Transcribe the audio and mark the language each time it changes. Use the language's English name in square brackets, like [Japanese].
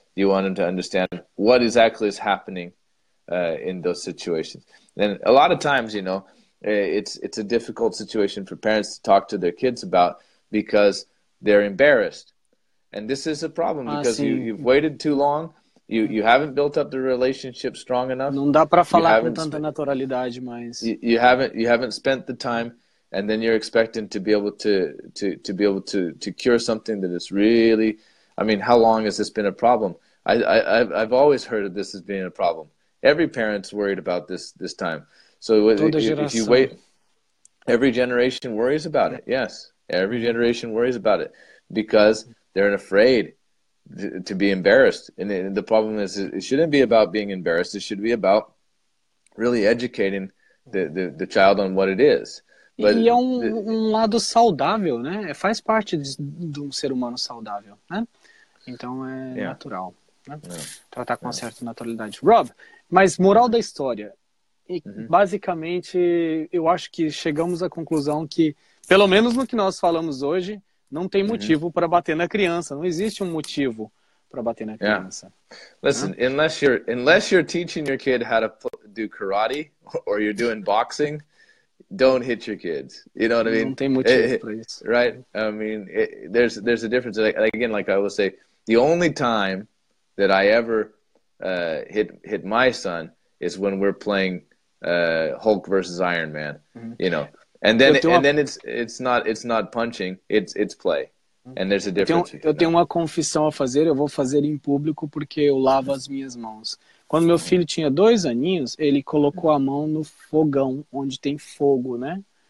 [English] You want them to understand what exactly is happening in those situations. And a lot of times, you know, it's a difficult situation for parents to talk to their kids about because they're embarrassed. And this is a problem because you've waited too long. You haven't built up the relationship strong enough. [Portuguese] Não dá para falar com tanta naturalidade, mas [English] you haven't spent the time, and then you're expecting to be able to cure something that is really, I mean, how long has this been a problem? I've always heard of this as being a problem. Every parent's worried about this time. So if you wait, every generation worries about it. Yes, every generation worries about it because they're afraid to be embarrassed. And the problem is it shouldn't be about being embarrassed. It should be about really educating the child on what it is. [Portuguese] But e é um lado saudável, né? Faz parte de um ser humano saudável, né? Então é natural, né? Tratar com uma certa naturalidade. Rob, mas moral da história. E basicamente, eu acho que chegamos à conclusão que, pelo menos no que nós falamos hoje, não tem motivo para bater na criança. Não existe um motivo para bater na criança. [English] Listen, unless you're teaching your kid how to do karate or you're doing boxing, don't hit your kids. You know what I mean? [Portuguese] Não tem motivo para isso. [English] Right? I mean, there's a difference. Again, like I will say, the only time that I ever hit my son is when we're playing Hulk versus Iron Man, you know. And then it's not punching, it's play. And there's a difference. [Portuguese] Eu tenho uma confissão a fazer, eu vou fazer em público porque eu lavo as minhas mãos. Quando meu filho tinha 2 aninhos, ele colocou a mão no fogão, onde tem fogo, né?